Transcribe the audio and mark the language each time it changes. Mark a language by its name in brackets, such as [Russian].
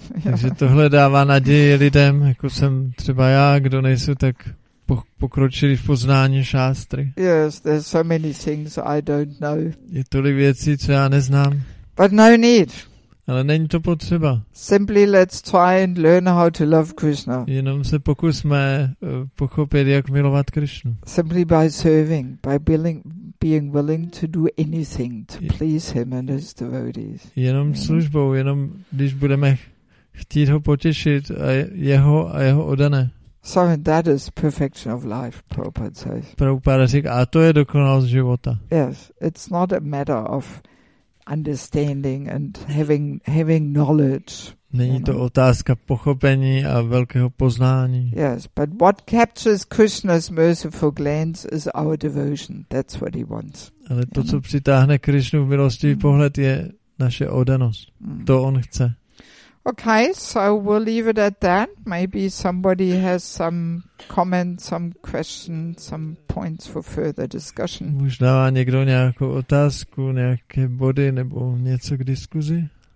[Czech] Takže tohle dává naději lidem, jako jsem třeba já, kdo nejsou tak pokročili v poznání šástry. [English] Yes, there's so many things I don't know. [Czech] Je tolik věcí, co já neznám. [English] But no need. [Czech] Ale není to potřeba. [English] Simply let's try and learn how to love Krishna. [Czech] Jenom se pokusme pochopit, jak milovat Krishnu. [English] Simply by serving, by being willing to do anything to please him and his devotees. [Czech] Jenom službou, jenom když budeme chtít ho potěšit a jeho oddané. [English] So that is perfection of life, Prabhupada says. [Czech] Prabhupada říká, a to je dokonalost života. [English] Yes, it's not a matter of understanding and having knowledge. [Czech] Není to otázka pochopení a velkého poznání. [English] Yes, but what captures Krishna's merciful glance is our devotion. That's what he wants. [Czech] Ale to, co přitáhne Krishnu v milostivý pohled, je naše oddanost. To on chce. [English] Okay, so we'll leave it at that. Maybe somebody has some comments, some questions, some points for further discussion. [Czech] Možná má někdo nějakou otázku, nějaké body nebo něco k diskuzi?